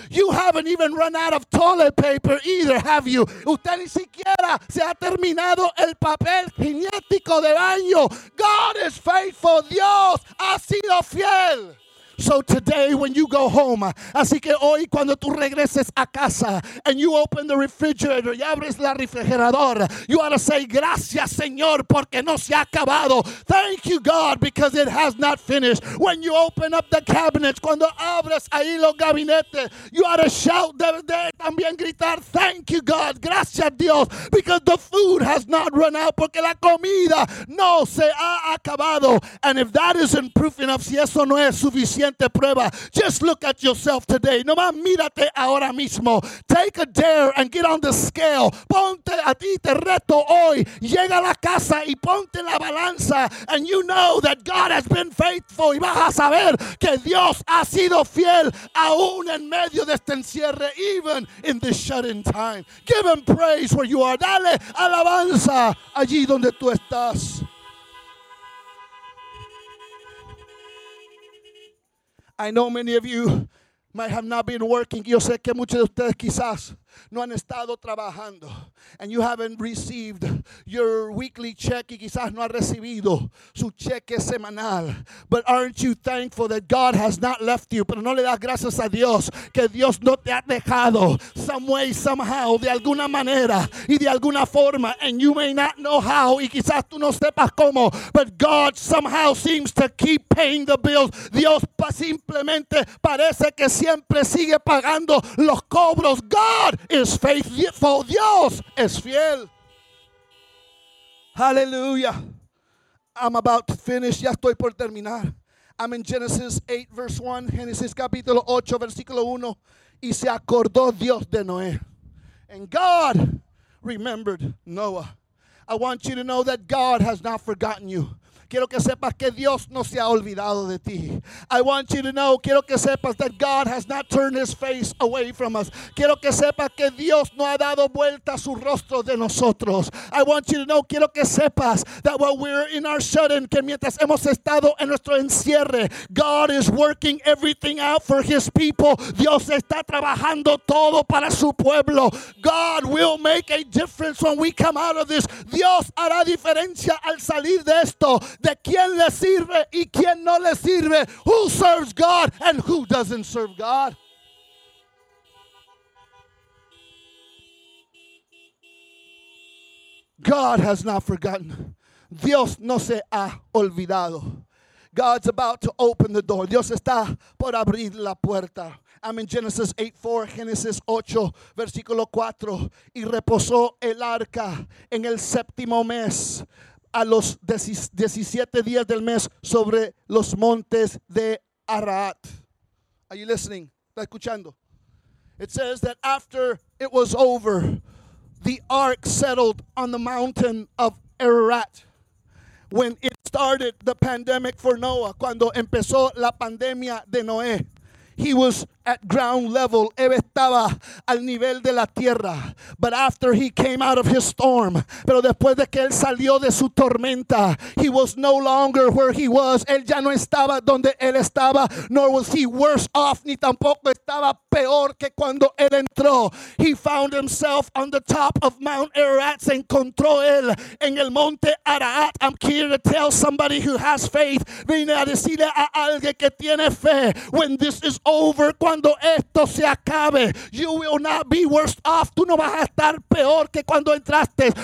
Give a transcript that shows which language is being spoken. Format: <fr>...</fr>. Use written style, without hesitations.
<en>You haven't even run out of toilet paper either, have you?</en> <es>Usted ni siquiera se ha terminado el papel higiénico de baño.</es> <en>God is faithful.</en> <es>Dios ha sido fiel.</es> <en>So today when you go home,</en> <es>así que hoy cuando tú regreses a casa,</es> <en>and you open the refrigerator,</en> <es>y abres la refrigerador,</es> <en>you ought to say,</en> <es>gracias Señor, porque no se ha acabado.</es> <en>Thank you God, because it has not finished. When you open up the cabinets,</en> <es>cuando abres ahí los gabinetes,</es> <en>you ought to shout,</en> <es>de también gritar,</es> <en>thank you God,</en> <es>gracias Dios,</es> <en>because the food has not run out,</en> <es>porque la comida no se ha acabado.</es> <en>And if that isn't proof enough,</en> <es>si eso no es suficiente,</es> <en>just look at yourself today.</en> <es>No más mírate ahora mismo.</es> <en>Take a dare and get on the scale.</en> <es>Ponte a ti, te reto hoy. Llega a la casa y ponte la balanza.</es> <en>And you know that God has been faithful.</en> <es>Y vas a saber que Dios ha sido fiel aún en medio de este encierre,</es> <en>even in this shut-in time. Give him praise where you are.</en> <es>Dale alabanza allí donde tú estás.</es> <en>I know many of you might have not been working.</en> <es>Yo sé que muchos de ustedes quizás no han estado trabajando.</es> <en>And you haven't received your weekly check.</en> <es>Y quizás no ha recibido su cheque semanal.</es> <en>But aren't you thankful that God has not left you?</en> <es>Pero no le das gracias a Dios que Dios no te ha dejado.</es> <en>Some way, somehow,</en> <es>de alguna manera y de alguna forma.</es> <en>And you may not know how.</en> <es>Y quizás tú no sepas cómo.</es> <en>But God somehow seems to keep paying the bills.</en> <es>Dios simplemente parece que siempre sigue pagando los cobros.</es> <en>God is faithful.</en> <es>Dios es fiel.</es> <en>Hallelujah. I'm about to finish.</en> <es>Ya estoy por terminar.</es> <en>I'm in Genesis 8 verse 1.</en> <es>Genesis capítulo 8 versículo 1. Y se acordó Dios de Noé.</es> <en>And God remembered Noah. I want you to know that God has not forgotten you.</en> <es>Quiero que sepas que Dios no se ha olvidado de ti.</es> <en>I want you to know,</en> <es>quiero que sepas</es> <en>that God has not turned his face away from us.</en> <es>Quiero que sepas que Dios no ha dado vuelta su rostro de nosotros.</es> <en>I want you to know,</en> <es>quiero que sepas</es> <en>that while we're in our shut-in,</en> <es>que mientras hemos estado en nuestro encierre,</es> <en>God is working everything out for his people.</en> <es>Dios está trabajando todo para su pueblo.</es> <en>God will make a difference when we come out of this.</en> <es>Dios hará diferencia al salir de esto. De quién le sirve y quién no le sirve.</es> <en>Who serves God and who doesn't serve God? God has not forgotten.</en> <es>Dios no se ha olvidado.</es> <en>God's about to open the door.</en> <es>Dios está por abrir la puerta.</es> <en>I'm in Genesis 8:4, Genesis 8, versículo 4.</en> <es>Y reposó el arca en el séptimo mes, a los 17 días del mes, sobre los montes de Ararat.</es> <en>Are you listening?</en> <es>¿Está escuchando?</es> <en>It says that after it was over, the ark settled on the mountain of Ararat. When it started the pandemic for Noah,</en> <es>cuando empezó la pandemia de Noé,</es> <en>he was at ground level.</en> <es>Él estaba al nivel de la tierra.</es> <en>But after he came out of his storm,</en> <es>pero después de que él salió de su tormenta,</es> <en>he was no longer where he was.</en> <es>Él ya no estaba donde él estaba,</es> <en>nor was he worse off,</en> <es>ni tampoco estaba peor que cuando él entró.</es> <en>He found himself on the top of Mount Ararat.</en> <es>Se encontró él en el monte Ararat.</es> <en>I'm here to tell somebody who has faith.</en> <es>Vine a decirle a alguien que tiene fe.</es> <en>When this is over,</en> <es>cuando esto se acabe,</es> <en>you will not be worse off.</en> <es>Tú no vas a estar peor que cuando entraste.</es>